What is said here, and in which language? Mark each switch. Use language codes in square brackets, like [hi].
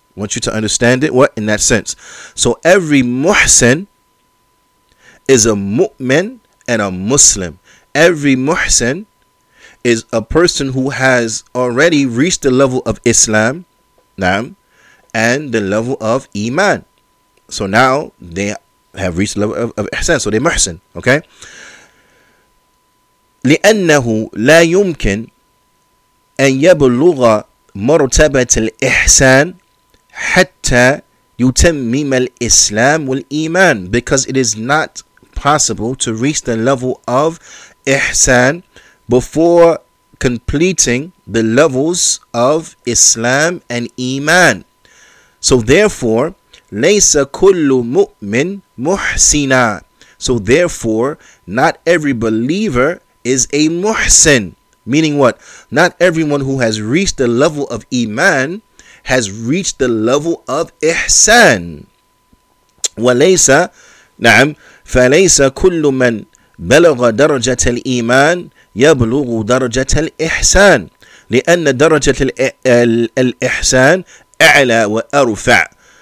[en] I want you to understand it, in that sense. So every muhsin is a mu'min and a Muslim. Every muhsin is a person who has already reached the level of Islam, naam, and the level of Iman. So now they have reached the level of ihsan. So they're muhsin, okay? [ar] لأنه لا يمكن أن يبلغ مرتبة الإحسان حتى يتمم الإسلام والإيمان. [en] Because it is not possible to reach the level of إحسان before completing the levels of Islam and Iman. So therefore, [ar] ليس كل مؤمن محسنا. [en] So therefore, not every believer is a muhsin. Meaning what? Not everyone who has reached the level of Iman has reached the level of ihsan. [ar] وَلَيْسَ نَعَمْ فَلَيْسَ كُلُّ مَنْ بَلَغَ دَرَجَةَ الْإِيمَانِ يَبْلُغُ دَرَجَةَ الْإِحْسَانِ لِأَنَّ دَرَجَةَ الْإِحْسَانِ أَعْلَى وَأَرُفَعَ.